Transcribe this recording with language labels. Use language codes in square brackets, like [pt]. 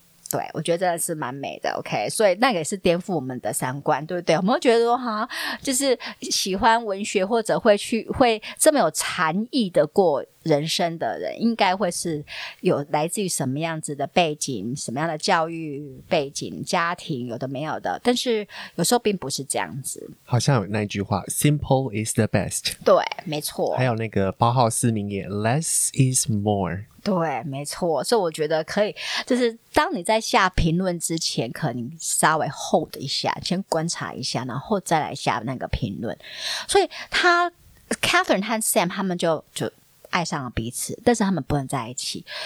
[zh] 对，我觉得真的是蛮美的 ，OK， 所以那个也是颠覆我们的三观，对不对？我们会觉得说，哈，就是喜欢文学或者会这么有禅意的过人生的人，应该会是有来自于什么样子的背景、什么样的教育背景、家庭，有的没有的。但是有时候并不是这样子。好像有那句话 ， [en] “Simple is the best”。 [zh] 对，没错。还有那个八号四名也 ， [en] “Less is more”。 [zh] 对，没错，所以我觉得可以，就是当你在下评论之前，可能稍微 hold 一下，先观察一下，然后再来下那个评论。所以他 Catherine 和 Sam 他们就爱上了彼此，但是他们不能在一起。